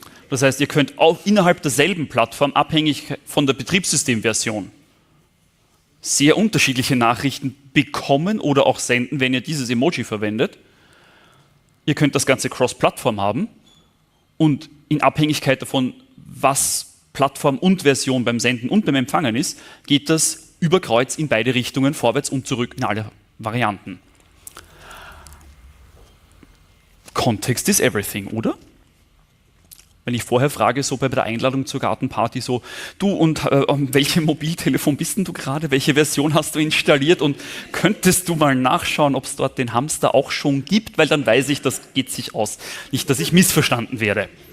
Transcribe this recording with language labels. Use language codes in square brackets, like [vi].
[de] Das heißt, ihr könnt auch innerhalb derselben Plattform, abhängig von der Betriebssystemversion, sehr unterschiedliche Nachrichten bekommen oder auch senden, wenn ihr dieses Emoji verwendet. Ihr könnt das Ganze Cross-Plattform haben und in Abhängigkeit davon, was Plattform und Version beim Senden und beim Empfangen ist, geht das über Kreuz in beide Richtungen, vorwärts und zurück in alle Varianten. [en] Context is everything, [de] oder? Wenn ich vorher frage, so bei der Einladung zur Gartenparty, so, du und welche Mobiltelefon bist denn du gerade, welche Version hast du installiert und könntest du mal nachschauen, ob es dort den Hamster auch schon gibt, weil dann weiß ich, das geht sich aus, nicht, dass ich missverstanden werde.